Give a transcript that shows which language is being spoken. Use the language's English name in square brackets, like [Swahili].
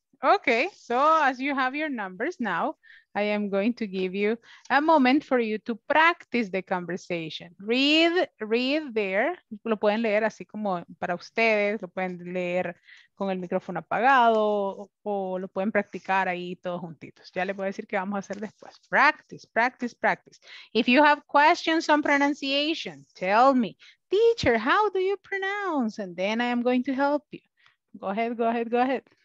[English] Okay, so as you have your numbers now, I am going to give you a moment for you to practice the conversation. Read there. [Spanish] Lo pueden leer así como para ustedes. Lo pueden leer con el micrófono apagado o lo pueden practicar ahí todos juntitos. Ya les voy a decir qué vamos a hacer después. [English] Practice, practice, practice. If you have questions on pronunciation, tell me. Teacher, how do you pronounce? And then I am going to help you. Go ahead, go ahead, go ahead.